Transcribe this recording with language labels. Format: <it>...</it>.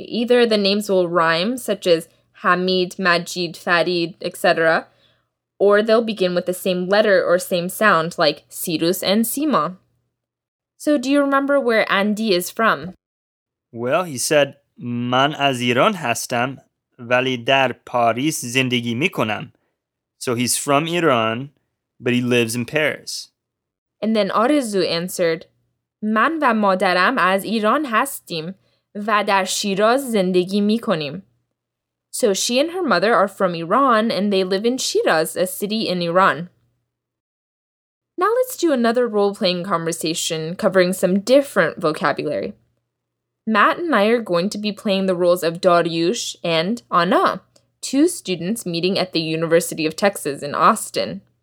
<en>Either the names will rhyme, such as Hamid, Majid, Farid, etc., or they'll begin with the same letter or same sound, like Cyrus and Sima. So do you remember where Andy is from? Well, he said,</en> <fa>Man az Iran hastam, vali dar Paris zindegi mikonam.</fa> <en>So he's from Iran, but he lives in Paris. And then Arezu answered,</en> <fa>من و مادرم از ایران هستیم و در شیراز زندگی می کنیم.</fa> <en>So she and her mother are from Iran and they live in Shiraz, a city in Iran. Now let's do another role-playing conversation covering some different vocabulary. Matt and I are going to be playing the roles of Dariush and Ana, two students meeting at the University of Texas in Austin.</en>